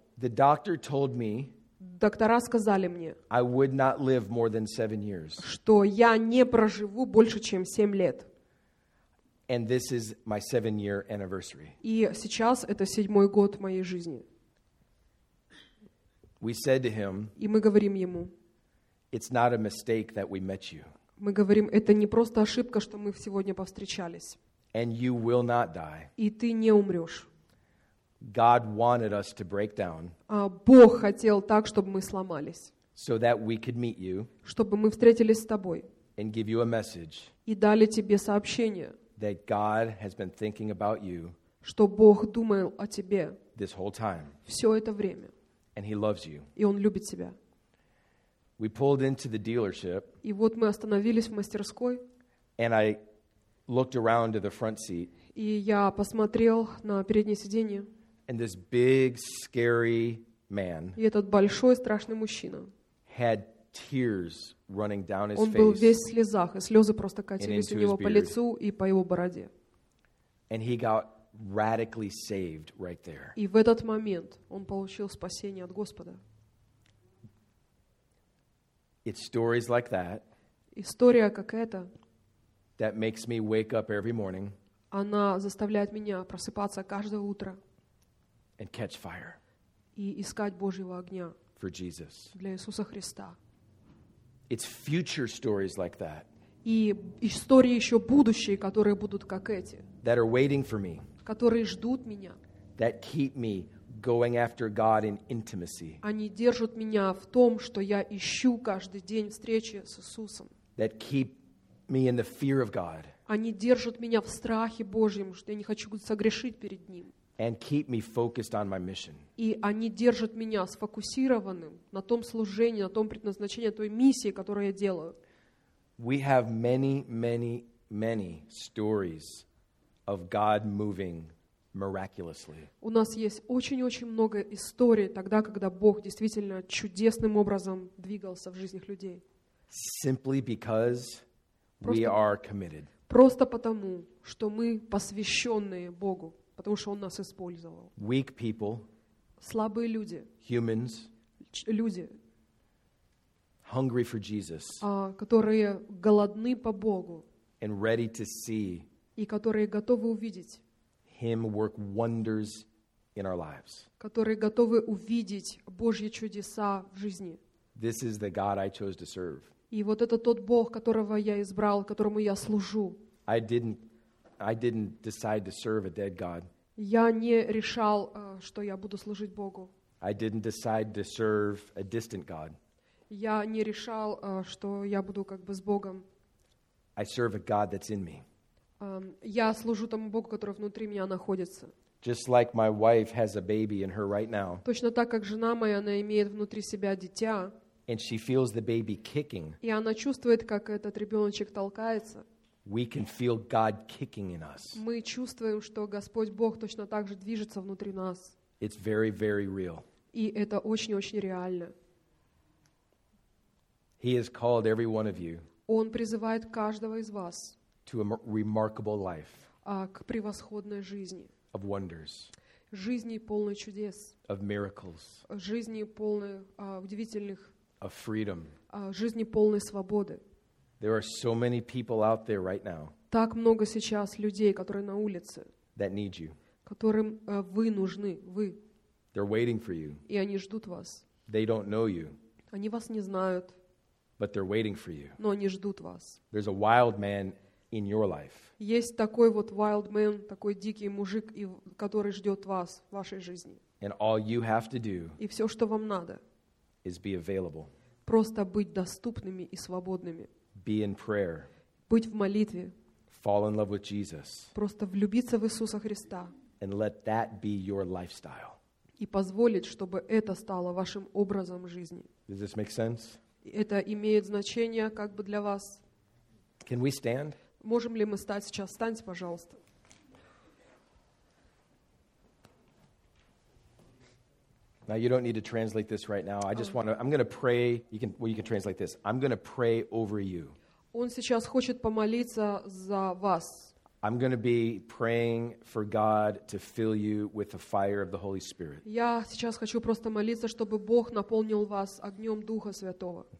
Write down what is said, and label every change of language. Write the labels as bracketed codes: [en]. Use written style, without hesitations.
[en] The doctor told me. [ru] Доктора сказали мне. [en] I would not live more than 7 years. [ru] Что я не проживу больше чем 7 лет. [en] And this is my 7-year anniversary. [ru] И сейчас это седьмой год моей жизни. [en] We said to him. [ru] И мы говорим ему. [en] It's not a mistake that we met you. [ru] Мы говорим, это не просто ошибка, что мы сегодня повстречались. [en] And you will not die. [ru] И ты не умрешь. [en] God wanted us to break down. [ru] Бог хотел так, чтобы мы сломались. [en] So that we could meet you. [ru] Чтобы мы встретились с тобой. [en] And give you a message. [ru] И дали тебе сообщение. [en] That God has been thinking about you. [ru] Что Бог думал о тебе. [en] This whole time. [ru] Все это время. [en] And he loves you. [ru] И он любит тебя. [en] We pulled into the dealership. [ru] И вот мы остановились в мастерской. [en] And I looked around to the front seat. [ru] И я посмотрел на переднее сиденье. [en] And this big scary man. [ru] И этот большой страшный мужчина. [en] Had tears running down his [ru] face. Он был весь в слезах, и слезы просто катились у него по лицу и по его бороде. [en] And he got radically saved right there. [ru] И в этот момент он получил спасение от Господа. [en] It's stories like that. [ru] История как эта. [en] That makes me wake up every morning. [ru] Она заставляет меня просыпаться каждое утро. [en] And catch fire. [ru] И искать Божьего огня. [en] For Jesus. [ru] Для Иисуса Христа. [en] It's future stories like that. [ru] И истории еще будущие, которые будут как эти. [en] That are waiting for me. [ru] Которые ждут меня. [en] That keep me going after God in intimacy. [ru] Они держат меня в том, что я ищу каждый день встречи с Иисусом. [en] That keep me in the fear of God. [ru] Они держат меня в страхе Божьем, что я не хочу согрешить перед Ним. [en] And keep me focused on my mission. [ru] И они держат меня сфокусированным на том служении, на том предназначении, той миссии, которую я делаю. [en] We have many, many, many stories of God moving miraculously. [ru] У нас есть очень-очень много историй тогда, когда Бог действительно чудесным образом двигался в жизнях людей. [en] Simply because we are committed. [ru] Просто потому, что мы посвященные Богу. Потому что он нас использовал. [en] Weak people. [ru] Слабые люди. [en] Humans. [ru] Люди. [en] Hungry for Jesus. [ru] Которые голодны по Богу. [en] And ready to see. [ru] И которые готовы увидеть. [en] Him work wonders in our lives. [ru] Которые готовы увидеть Божьи чудеса в жизни. [en] This is the God I chose to serve. [ru] И вот это тот Бог, которого я избрал, которому я служу. [en] I didn't decide to serve a dead God. [ru] Я не решал, что я буду служить Богу. [en] I didn't decide to serve a distant God. [ru] Я не решал, что я буду как бы с Богом. [en] I serve a God that's in me. [ru] Я служу тому Богу, который внутри меня находится. [en] Just like my wife has a baby in her right now. [ru] Точно так, как жена моя, она имеет внутри себя дитя. [en] And she feels the baby kicking. [ru] И она чувствует, как этот ребеночек толкается. [en] We can feel God kicking in us. [ru] Мы чувствуем, что Господь Бог точно так же движется внутри нас. [en] It's very, very real. [ru] И это очень-очень реально. [en] He has called every one of you. [ru] Он призывает каждого из вас. [en] To a remarkable life. [ru] К превосходной жизни. [en] Of wonders. [ru] жизни полной чудес, [en] of miracles, [ru] жизни полной удивительных, [en] of freedom, [ru] жизни полной свободы. [en] There are so many people out there right now. [ru] Так много сейчас людей, которые на улице. [en] That need you. [ru] Которым вы нужны, вы. [en] They're waiting for you. [ru] И они ждут вас. [en] They don't know you. [ru] Они вас не знают. [en] But they're waiting for you. [ru] Но они ждут вас. [en] There's a wild man in your life. [ru] Есть такой вот [en] wild man, [ru] такой дикий мужик, который ждет вас в вашей жизни. [en] And all you have to do. [ru] И все, что вам надо. [en] Is be available. [ru] Просто быть доступными и свободными. [en] Be in prayer. [ru] Быть в молитве. [en] Fall in love with Jesus. [ru] Просто влюбиться в Иисуса Христа. [en] And let that be your lifestyle. [ru] И позволить, чтобы это стало вашим образом жизни. [en] Does this make sense? [ru] Это имеет значение как бы для вас. [en] Can we stand? [ru] Можем ли мы стать сейчас? Встаньте, пожалуйста. [en] Now you don't need to translate this right now. I just want to, I'm going to pray. You can translate this. I'm going to pray over you. [ru] Он сейчас хочет помолиться за вас. [en] I'm going to be praying for God to fill you with the fire of the Holy Spirit. [ru] Я сейчас хочу просто молиться, чтобы Бог наполнил вас огнем Духа Святого.